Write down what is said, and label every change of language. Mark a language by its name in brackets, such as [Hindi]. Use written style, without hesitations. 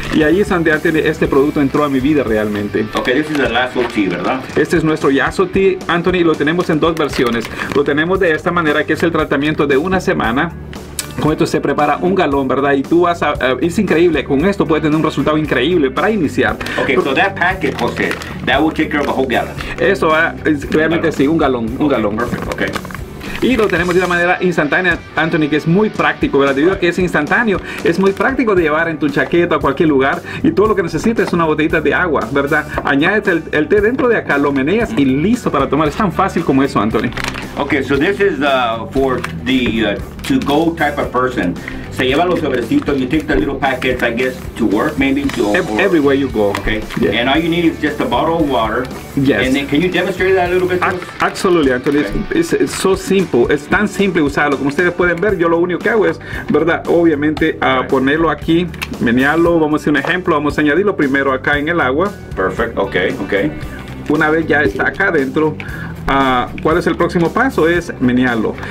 [Spanish] Y ahí es donde este producto entró a mi vida realmente. [English] Ok, this is the Yasotil, [Spanish] ¿verdad? Este es nuestro Yasotil, Anthony, lo tenemos en dos versiones. Lo tenemos de esta manera, que es el tratamiento de una semana. Con esto se prepara un galón, ¿verdad? Y tú vas a... es increíble. Con esto puedes tener un resultado increíble para iniciar. [English] Ok, pero, so that packet, Jose, that will take care of a whole gallon. [Spanish] Eso va... realmente sí, un galón, un galón. Perfecto, ok. Y lo tenemos de una manera instantánea, Anthony, que es muy práctico, ¿verdad? Debido a que es instantáneo, es muy práctico de llevar en tu chaqueta o cualquier lugar, y todo lo que necesitas es una botellita de agua, ¿verdad? Añades el té dentro de acá, lo meneas y listo para tomar. Es tan fácil como eso, Anthony. [English] Okay, so this is for the to-go type of person. [Spanish] Se lleva los sobrecitos, [English] you take the little packets, I guess, to work maybe? Everywhere you go. Okay. Yeah. And all you need is just a bottle of water. Yes. And then can you demonstrate that a little bit? Absolutely, Anthony. Okay. It's so simple. It's [Spanish] tan simple usarlo. Como ustedes pueden ver, yo lo único que hago es, ¿verdad? Obviamente, ponerlo aquí, menearlo. Vamos a hacer un ejemplo. Vamos a añadirlo primero acá en el agua. [English] Perfect. Okay, okay. [Spanish] Una vez ya está acá adentro. ¿Cuál es el próximo paso? Es menearlo.